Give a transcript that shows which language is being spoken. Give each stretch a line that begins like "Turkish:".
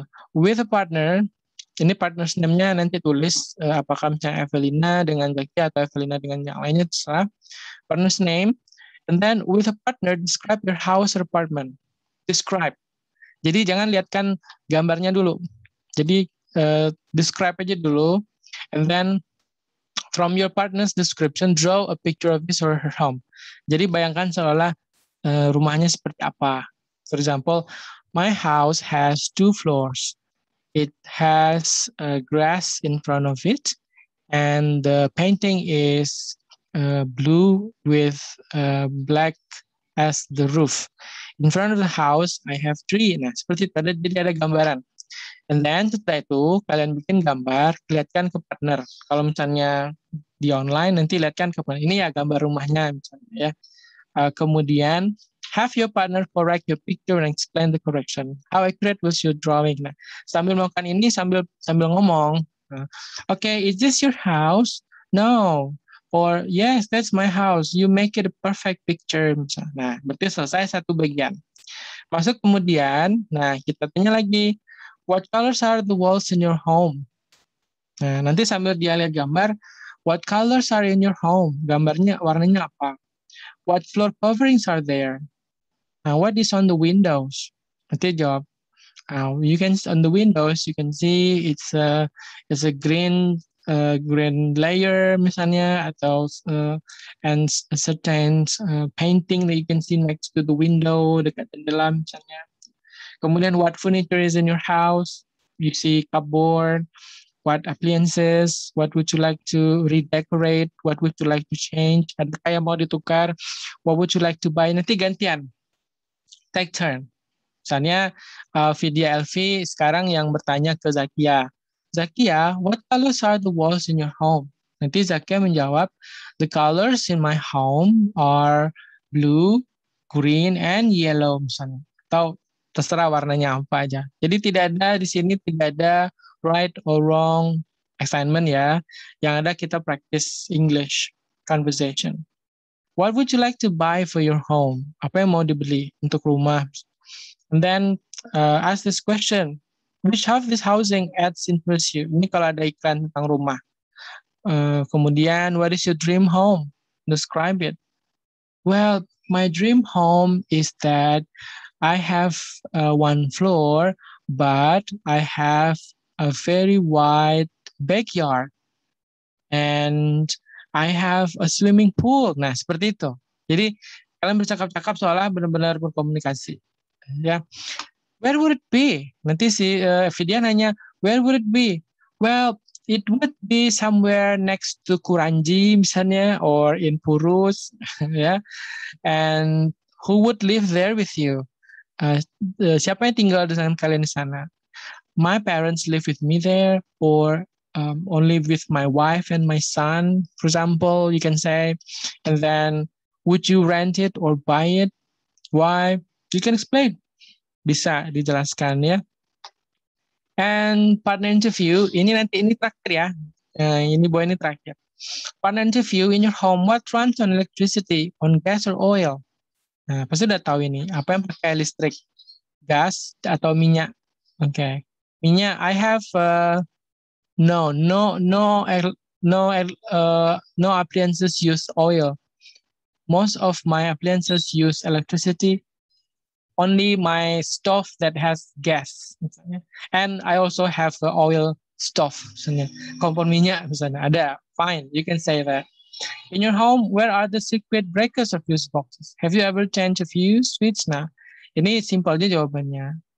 English: with a partner,
Indonesian: ini partner namanya nanti tulis, apakah misalnya Evelina dengan Jackie atau Evelina dengan yang lainnya, terserah,
English: partner's name, and then with a partner, describe your house or apartment, describe,
Indonesian: jadi jangan lihatkan gambarnya dulu, jadi describe aja dulu,
English: and then, from your partner's description, draw a picture of his or her home.
Indonesian: Jadi bayangkan seolah-olah rumahnya seperti apa.
English: For example, my house has 2 floors. It has grass in front of it. And the painting is blue with black as the roof. In front of the house, I have tree.
Indonesian: Nah, seperti tadi, jadi ada gambaran.
English: And then
Indonesian: setelah itu, kalian bikin gambar, lihatkan ke partner. Kalau misalnya di online, nanti lihatkan ke partner. Ini ya gambar rumahnya misalnya ya.
English: Kemudian, have your partner correct your picture and explain the correction. How accurate was your drawing?
Indonesian: Nah, sambil melakukan ini, sambil ngomong.
English: Okay, is this your house? No. Or, yes, that's my house. You make it a perfect picture.
Indonesian: Misalnya. Nah, berarti selesai satu bagian. Masuk kemudian, nah kita tanya lagi.
English: What colors are the walls in your home?
Indonesian: Nah, nanti sambil dia lihat gambar,
English: what colors are in your home?
Indonesian: Gambarnya, warnanya apa?
English: What floor coverings are there? What is on the windows?
Indonesian: Nanti jawab.
English: You can on the windows, you can see it's a green layer misalnya atau and a certain painting that you can see next to the window
Indonesian: dekat jendela misalnya.
English: Kemudian what furniture is in your house? You see cupboard. What appliances? What would you like to redecorate? What would you like to change?
Indonesian: Ada kayak mau ditukar?
English: What would you like to buy?
Indonesian: Nanti gantian.
English: Take turn.
Indonesian: Misalnya Vidya Elvi sekarang yang bertanya ke Zakia.
English: Zakia, what colors are the walls in your home?
Indonesian: Nanti Zakia menjawab,
English: the colors in my home are blue, green, and yellow.
Indonesian: Misalnya. Atau terserah warnanya apa aja. Jadi tidak ada di sini, tidak ada right or wrong assignment ya. Yang ada kita practice English conversation.
English: What would you like to buy for your home?
Indonesian: Apa yang mau dibeli untuk rumah? And then ask this question.
English: Which of this housing ads interest you? Ini kalau ada iklan tentang rumah. Kemudian, what is your dream home? Describe it. Well, my dream home is that I have one floor, but I have a very wide backyard. And I have a swimming pool.
Indonesian: Nah, seperti itu. Jadi, kalian bercakap-cakap seolah benar-benar berkomunikasi. Yeah.
English: Where would it be?
Indonesian: Nanti si Vidya nanya,
English: where would it be? Well, it would be somewhere next to Kuranji misalnya, or in Purus. Yeah. And who would live there with you?
Indonesian: Siapa yang tinggal dengan kalian di sana?
English: My parents live with me there, or only with my wife and my son, for example, you can say. And then, would you rent it or buy it? Why? You can explain.
Indonesian: Bisa dijelaskan ya. And partner interview, ini nanti ini terakhir ya. Ini boy ini terakhir.
English: Partner interview, in your home, what runs on electricity, on gas or oil?
Indonesian: Nah, pasti udah tahu ini. Apa yang pakai listrik? Gas atau minyak?
English: Okay. Minyak, I have no appliances use oil. Most of my appliances use electricity. Only my stove that has gas. And I also have the oil stove. Misalnya.
Indonesian: Kompor minyak misalnya. Ada.
English: Fine, you can say that. In your home, where are the circuit breakers of fuse boxes? Have you ever changed a fuse switch?
Indonesian: Nah, ini simple aja jawabannya.